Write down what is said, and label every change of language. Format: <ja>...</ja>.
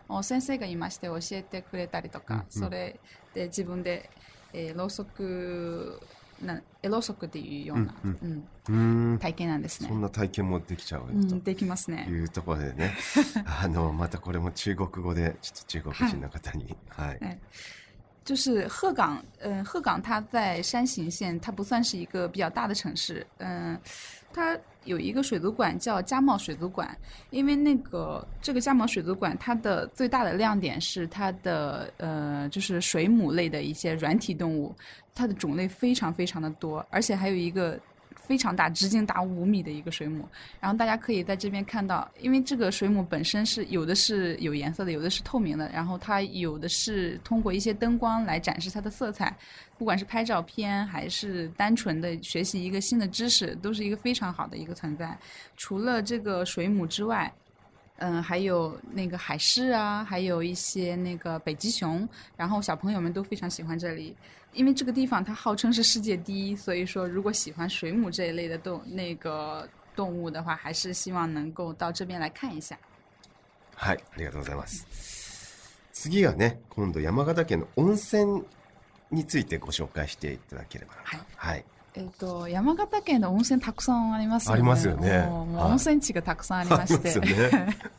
<ja>先生がいまして教えてくれたりとか、うんうん、それで自分で、ろうそくなエロソクっていうような、うんうんうん、体験なんですね。そんな体験もできちゃうと、うん、できますね。いうところでねまたこれも中国語でちょっと中国人の方に、はい、はい、</ja> <zh>就是鹤岗，嗯，鹤岗它在山形县，它不算是一个比较大的城市，嗯，它有一个水族馆叫加茂水族馆，因为那个这个加茂水族馆它的最大的亮点是它的就是水母类的一些软体动物，它的种类非常非常的多，而且还有一个非常大，直径达五米的一个水母，然后大家可以在这边看到，因为这个水母本身是有的是有颜色的，有的是透明的，然后它有的是通过一些灯光来展示它的色彩，不管是拍照片还是单纯的学习一个新的知识，都是一个非常好的一个存在。除了这个水母之外，嗯，还有那个海狮啊，还有一些那个北极熊，然后小朋友们都非常喜欢这里，因为这个地方它号称是世界第一，所以说如果喜欢水母这一类的动物的话，还是希望能够到这边来看一下。</zh> <ja>はい、ありがとうございます。次はね、今度山形県の温泉についてご紹介していただければ。はい。はい、山形県の温泉たくさんありますよね。ありますよね。もう温泉地がたくさんありまして。ありますよね。</ja>